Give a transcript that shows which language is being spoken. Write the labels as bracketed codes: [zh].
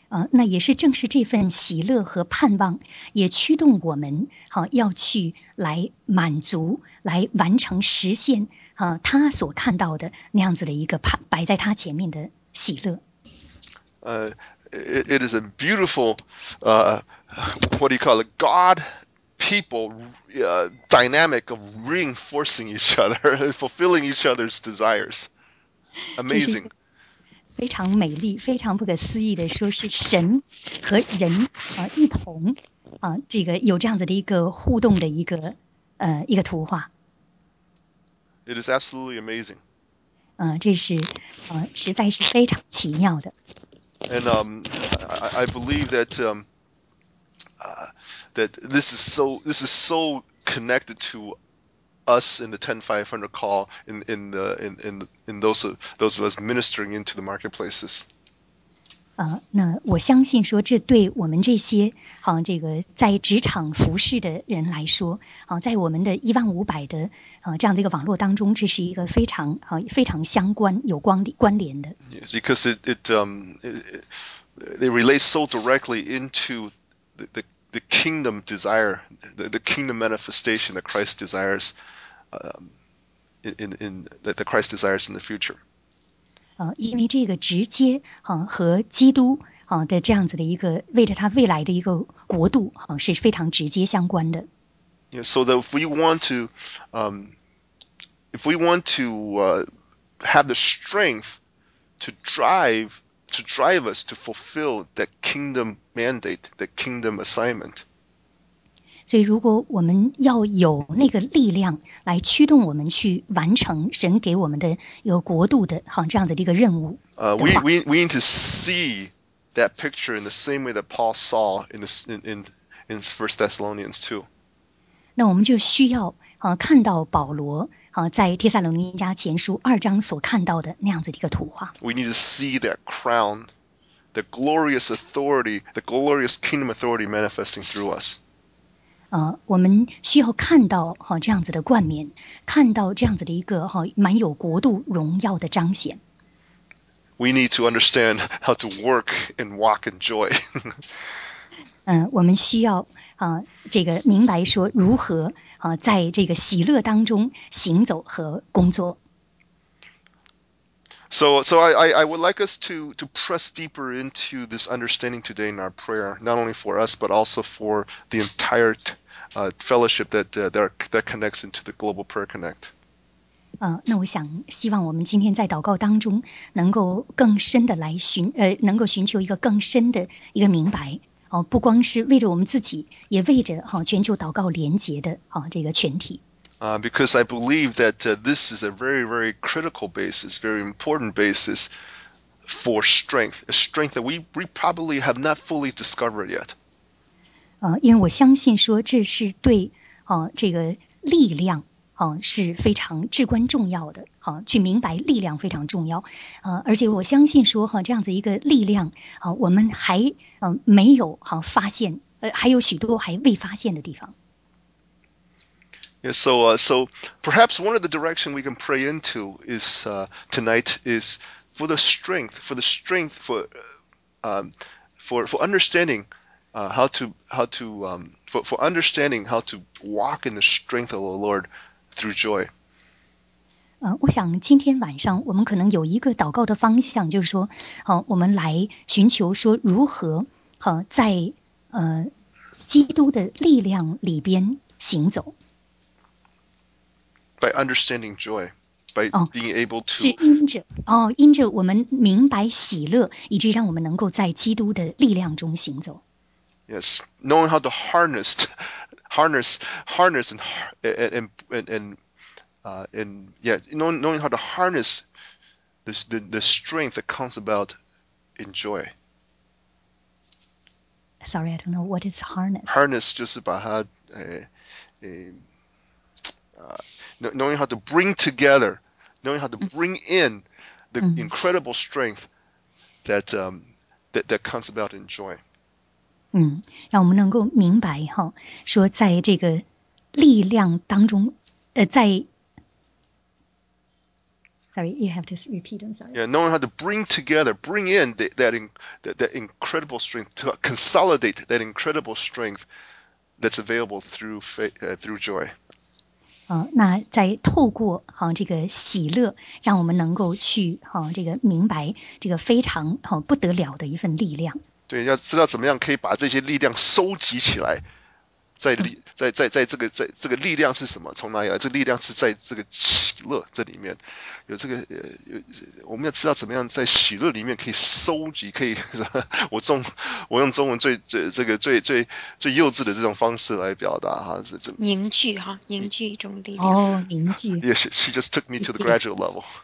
[zh] 那也是正是这份喜乐和盼望也驱动我们要去来满足来完成实现他所看到的那样子的一个摆在他前面的喜乐。 [en] It is a beautiful, what do you call it, God... people dynamic of reinforcing each other, fulfilling each other's desires. Amazing. [zh] 非常美丽，非常不可思议的说是神和人一同这个有这样子的一个互动的一个图画。 [en] It is absolutely amazing. [zh] 这是实在是非常奇妙的。 [en] And I believe that this is so connected to us in the 10-500 call in those of us ministering into the marketplaces. [zh] 那我相信说这对我们这些这个在职场服事的人来说在我们的15,000的这样的一个网络当中，这是一个非常非常相关有关联的。 [en] Yes, because it relates so directly into the kingdom desire, the kingdom manifestation that Christ desires, that the Christ desires in the future. [zh] 因为这个直接和基督的这样子的一个为着他未来的一个国度是非常直接相关的。 [en] Yeah, so that if we want to have the strength to drive us to fulfill that kingdom mandate, that kingdom assignment. [zh] 所以如果我们要有那个力量来驱动我们去完成神给我们的有国度的这样子的一个任务的话。 [en] We need to see that picture in the same way that Paul saw in the, in 1 Thessalonians 2. [zh] 那我们就需要啊看到保罗啊在帖撒罗尼迦前书二章所看到的那样子的一个图画。 [en] We need to see that crown, the glorious authority, the glorious kingdom authority manifesting through us. [zh] 啊，我们需要看到哈这样子的冠冕，看到这样子的一个哈满有国度荣耀的彰显。 [en] We need to understand how to work and walk in joy. [zh] 我们需要啊，这个明白说如何啊，在这个喜乐当中行走和工作。 [en] So I would like us to press deeper into this understanding today in our prayer, not only for us but also for the entire fellowship that connects into the Global Prayer Connect. [zh] 那我想希望我们今天在祷告当中能够更深的来寻能够寻求一个更深的一个明白。不光是为着我们自己，也为着全球祷告连结的这个全体。 [en] Because I believe that this is a very, very critical basis, very important basis for strength, a strength that we probably have not fully discovered yet. [zh] 因为我相信说这是对这个力量是非常至关重要的去明白力量非常重要而且我相信说这样子一个力量我们还没有发现还有许多还未发现的地方。 [en] Yeah, so perhaps one of the direction we can pray into is tonight is for the strength, for understanding how to walk in the strength of the Lord. Through joy. [zh] 我想今天晚上我们可能有一个祷告的方向，就是说，我们来寻求说如何，在基督的力量里边行走。 [en] By understanding joy, by being able to [zh] 是因着我们明白喜乐，以至于让我们能够在基督的力量中行走。 [en] Yes, knowing how to harness how to harness the strength that comes about in joy. Sorry, I don't know what is harness. Harness [zh] 就是把它 [en] knowing how to bring together, knowing how to bring in the incredible strength that comes about in joy. [zh] 让我们能够明白哈，说在这个力量当中，在 ， [en] sorry, you have to repeat. I'm sorry. Yeah, knowing how to bring together, bring in that incredible strength to consolidate that incredible strength that's available through joy. [zh] 那在透过这个喜乐，让我们能够去这个明白这个非常不得了的一份力量。对，要知道怎么样可以把这些力量收集起来，在这个力量是什么？从哪里来？这力量是在这个喜乐这里面，有这个我们要知道怎么样在喜乐里面可以收集，可以我用中文最幼稚的这种方式来表达哈，是这凝聚哈，凝聚一种力量哦，凝聚。 [en] Yes, she just took me to the graduate level.